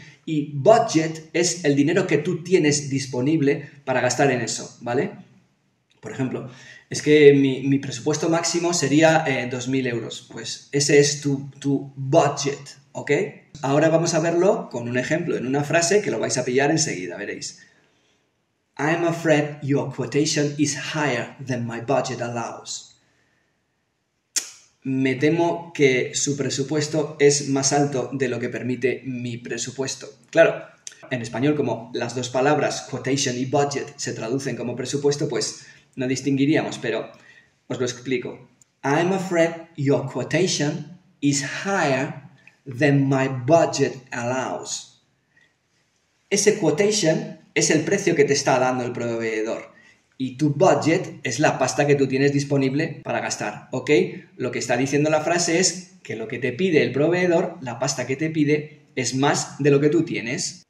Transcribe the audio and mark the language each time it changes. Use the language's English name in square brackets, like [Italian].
[Spanish] Y budget es el dinero que tú tienes disponible para gastar en eso, ¿vale? Por ejemplo, es que mi presupuesto máximo sería 2.000 euros. Pues ese es tu budget, ¿ok? Ahora vamos a verlo con un ejemplo, en una frase que lo vais a pillar enseguida, veréis. [English] I'm afraid your quotation is higher than my budget allows. [Spanish] Me temo que su presupuesto es más alto de lo que permite mi presupuesto. Claro, en español, como las dos palabras, quotation y budget, se traducen como presupuesto, pues no distinguiríamos, pero os lo explico. [English] I'm afraid your quotation is higher than my budget allows. [Spanish] Ese quotation es el precio que te está dando el proveedor. Y tu budget es la pasta que tú tienes disponible para gastar, ¿ok? Lo que está diciendo la frase es que lo que te pide el proveedor, la pasta que te pide, es más de lo que tú tienes.